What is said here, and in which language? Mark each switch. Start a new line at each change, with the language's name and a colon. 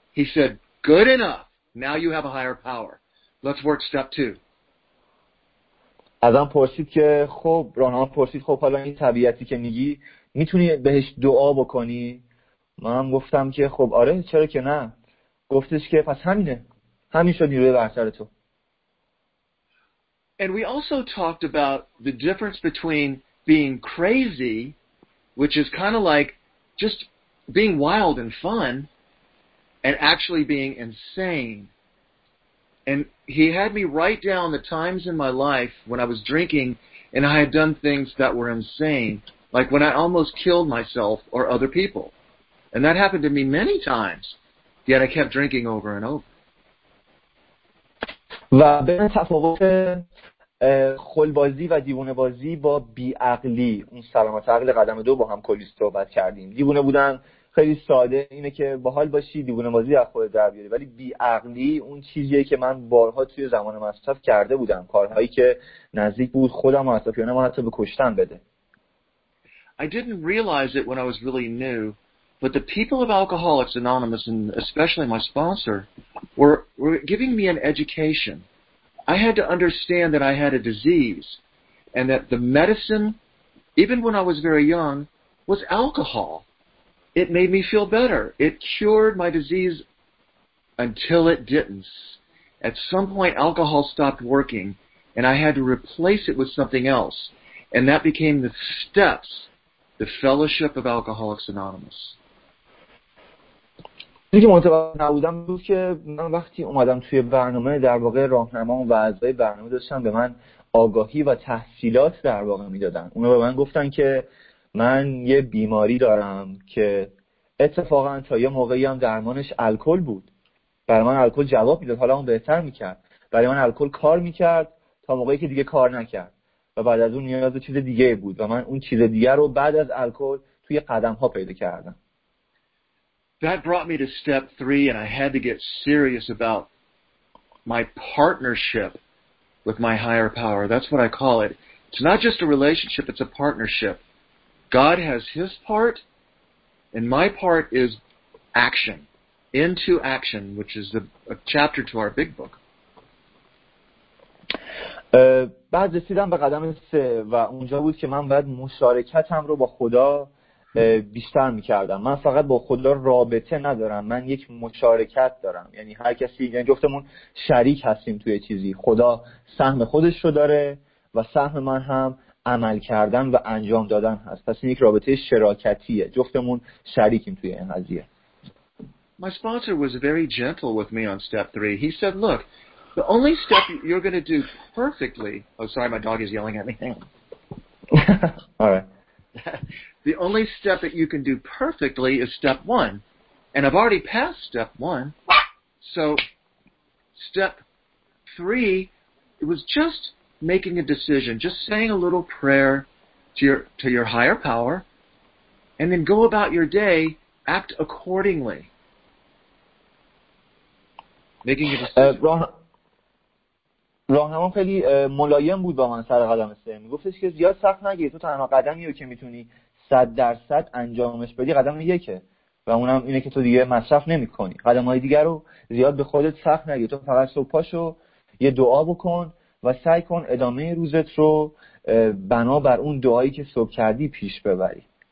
English: He said, "Good enough. Now you have a higher power. Let's work step 2."
Persian: ازم پرسید که خب، راهنما پرسید خب حالا این طبیعتی که میگی میتونی بهش دعا بکنی؟ منم گفتم که خب آره، چرا که نه. گفتش که پس همینه، همین شد نیروی برتر تو.
English: And we also talked about the difference between being crazy, which is kind of like just being wild and fun, and actually being insane. And he had me write down the times in my life when I was drinking and I had done things that were insane, like when I almost killed myself or other people. And that happened to me many times, yet I kept drinking over and over.
Persian: و بین تفاوت خلبازی و دیوونه‌بازی با بی‌عقلی، اون سلامت عقل قدم دو با هم کلی صحبت کردیم. دیوونه بودن خیلی ساده، اینه که باحال باشی، دیوونه بازی از خود در بیاری، ولی بیعقلی اون چیزیه که من بارها توی زمان مصرف کرده بودم، کارهایی که نزدیک بود خودم و اطرافیانم حتی به کشتن بده.
English: I didn't realize it when I was really new, but the people of Alcoholics Anonymous and especially my sponsor were giving me an education. I had to understand that I had a disease and that the medicine, even when I was very young, was alcohol. It made me feel better. It cured my disease until it didn't. At some point, alcohol stopped working, and I had to replace it with something else. And that became the steps, the Fellowship of Alcoholics Anonymous.
Persian: دیگه متوجه نبودم بود که من وقتی اومدم توی برنامه، در واقع راهنما و وظایف برنامه داشتن به من آگاهی و تحصیلات در واقع میدادن. اونا به من گفتن که من یه بیماری دارم که اتفاقا تا یه موقعی هم درمانش الکل بود، و برای من الکل جواب میداد، حالا اون بهتر میکرد. برای من الکل کار میکرد تا موقعی که دیگه کار نکرد و بعد از اون نیاز چیز دیگه بود و من اون چیز دیگه رو بعد از الکل توی قدم ها پیدا کردم.
English: That brought me to step 3 and I had to get serious about my partnership with my higher power. That's what I call it. It's not just a relationship, it's a partnership. God has his part and my part is action, into action, which is a chapter to our big book.
Persian: بعد رسیدم به قدم 3 و اونجا بود که من باید مشارکتم رو با خدا بیشتر می‌کردم. من فقط با خدا رابطه ندارم، من یک مشارکت دارم. یعنی هر کسی، یعنی جفتمون شریک هستیم توی چیزی. خدا سهم خودش رو داره و سهم من هم عمل کردن و انجام دادن هست. پس این یک رابطه شراکتیه. جفتمون شریکیم توی این قضیه.
English: My sponsor was very gentle with me on step 3. He said, "Look, the only step you're going to do perfectly." Oh, sorry, my dog is yelling at me. All right. The only step that you can do perfectly is step 1. And I've already passed step 1. So step 3, it was just making a decision, just saying a little prayer to your higher power, and then go about your day, act accordingly. Making a decision.
Persian: راهنما خیلی ملایم بود با من سر قدم 3. میگفتش که زیاد سخت نگیر، تو تنها قدمی رو که میتونی 100% انجامش بدی قدم 1ه، و اونم اینه که تو دیگه مصرف نمی‌کنی. قدم‌های دیگر رو زیاد به خودت سخت نگیر، تو فقط صبح پاشو یه دعا بکن و سعی کن ادامه روزت رو بنا بر اون دعایی که صبح کردی پیش ببری.